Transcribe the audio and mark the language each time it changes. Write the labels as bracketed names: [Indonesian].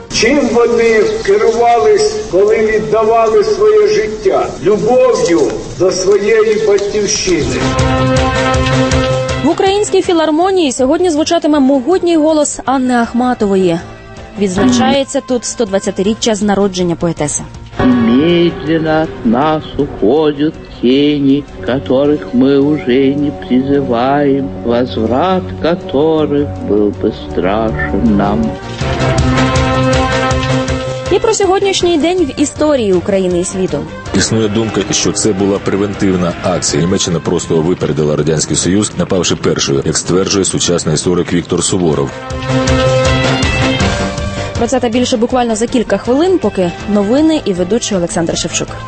[Ukrainian] Чим вони керувались, коли віддавали своє життя? Любов'ю до своєї батьківщини. В Українській філармонії сьогодні звучатиме могутній голос Анни Ахматової. Відзначається тут 120-річчя з народження поетеси. [Russian] Медленно от нас уходят тени, которых мы уже не призываем, возврат которых был бы страшен нам. [Ukrainian] І про сьогоднішній день в історії України і світу. Існує думка, що це була превентивна акція. Німеччина просто випередила Радянський Союз, напавши першою, як стверджує сучасний історик Віктор Суворов. Про це та більше буквально за кілька хвилин, поки новини і ведучий Олександр Шевчук.